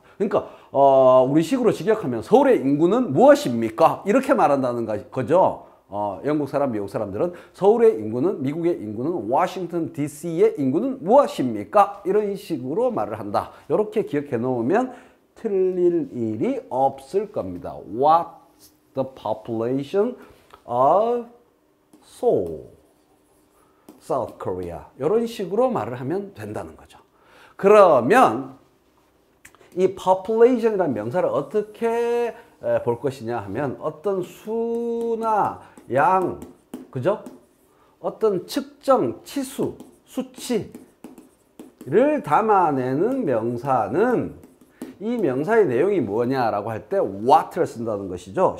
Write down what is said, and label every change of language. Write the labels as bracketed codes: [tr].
[ko] 그러니까 우리 식으로 직역하면 서울의 인구는 무엇입니까? 이렇게 말한다는 거죠. 영국 사람, 미국 사람들은 서울의 인구는 미국의 인구는 워싱턴 DC의 인구는 무엇입니까? 이런 식으로 말을 한다. 이렇게 기억해 놓으면 틀릴 일이 없을 겁니다. [en] What's the population of Seoul? [ko] South Korea 이런 식으로 말을 하면 된다는 거죠. 그러면 이 population이라는 명사를 어떻게 볼 것이냐 하면 어떤 수나 양, 그죠? 어떤 측정, 치수, 수치를 담아내는 명사는 이 명사의 내용이 뭐냐라고 할 때 what를 쓴다는 것이죠.